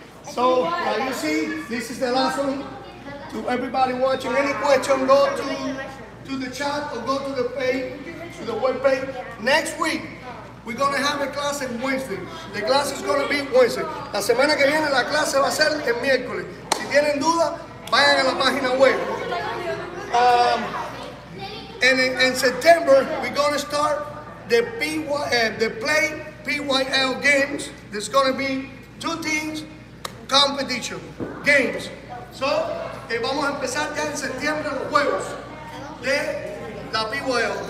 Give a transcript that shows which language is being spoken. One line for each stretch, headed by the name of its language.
English: So now you see, this is the last one. To everybody watching, any question, go to the chat or go to the page, to the web page. Next week, we're going to have a class on Wednesday. The class is going to be Wednesday.
Spanish: La semana que viene, la clase va a ser el miércoles. Si tienen duda, vayan a la página web.
English: And in September, we're going to start the PYL games. There's going to be two teams, competition, games.
Spanish: So, vamos a empezar ya en septiembre los juegos de la PYL.